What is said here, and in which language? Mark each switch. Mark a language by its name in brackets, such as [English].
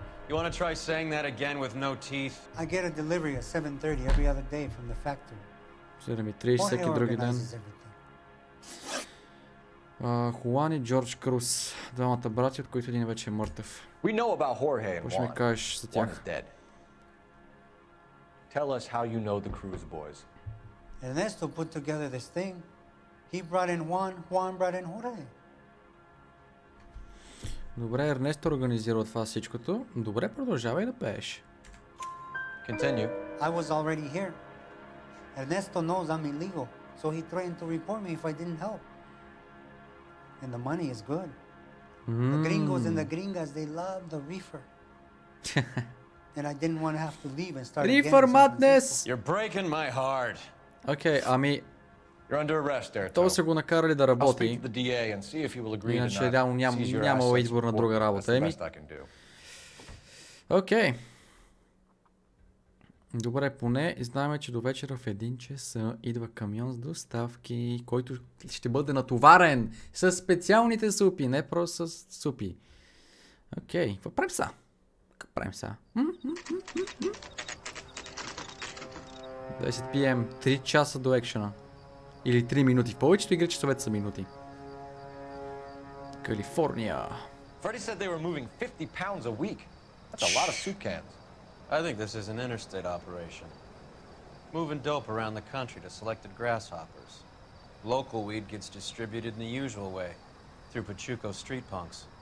[English] You want to try saying that again with no teeth? I get a delivery at 7:30 every other day from the factory. [Bulgarian] 7:30 всеки други ден. Хуан и Джордж Крус, двамата брати, от които един вече е мъртъв. [English] We know about Jorge and [Bulgarian] Juan. Кажеш за тях? [English] Tell us how you know the Cruz boys. Ernesto put together this thing. He brought in Juan, Juan brought in Jorge. [Bulgarian] Добре, Ернесто организира това всичкото. Добре, продължавай да пееш. [English] Continue. I was already here. Ernesto knows I'm illegal, so he threatened to report me if I didn't help. And the money is good. The gringos and the gringas, they love the reefer. And I didn't want to have to leave and start reefer again. Reefer madness! You're breaking my heart. Okay, ами... You're under arrest, Erto. [Bulgarian] Това са го накарали да работи. [English] I'll speak to the DA and see if you will agree to not. [Bulgarian] Иначе реално няма избор на друга работа. [English] That's the best I can do. Okay. [Bulgarian] Добре, поне знаем, че до вечера в 1 часа идва камион с доставки, който ще бъде натоварен със специалните супи, не просто с супи. Окей, какво правим са? Какво правим са? 10 PM, 3 часа до екшена. Или 3 минути. В повечето игри часовете са минути. Калифорния. [English] Freddy said they were moving 50 pounds a week. That's a lot of soup cans. I think this is an interstate operation. Moving dope around the country to selected grasshoppers. Local weed gets distributed in the usual way, through Pachuco street punks.